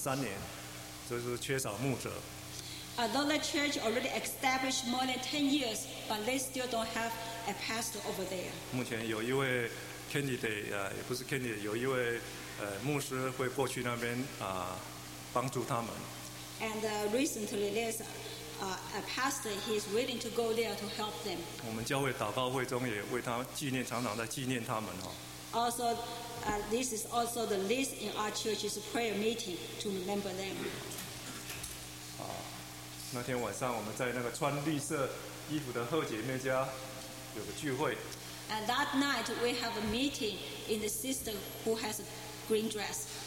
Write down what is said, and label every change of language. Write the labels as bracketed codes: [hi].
[zh] 比利时华人教会到目前还没有牧师，虽然成立了十几年，一直就是短宣队，以前有中信的胡宣教师去那边帮助他们三年，就是缺少牧者。 [en] Although the church already established more than 10 years, but they still don't have a pastor over there. [zh] 目前有一位 candidate， 也不是 candidate， 有一位 牧师会过去那边 帮助他们。 [en] And recently there's a pastor, he's willing to go there to help them. [zh] 我们教会祷告会中也为他纪念，常常在纪念他们。 [en] Also, this is also the list in our church's prayer meeting to remember them. [zh] 那天晚上我们在那个穿绿色衣服的贺姐妹家有个聚会。 [en] And that night we have a meeting in the sister who has a green dress.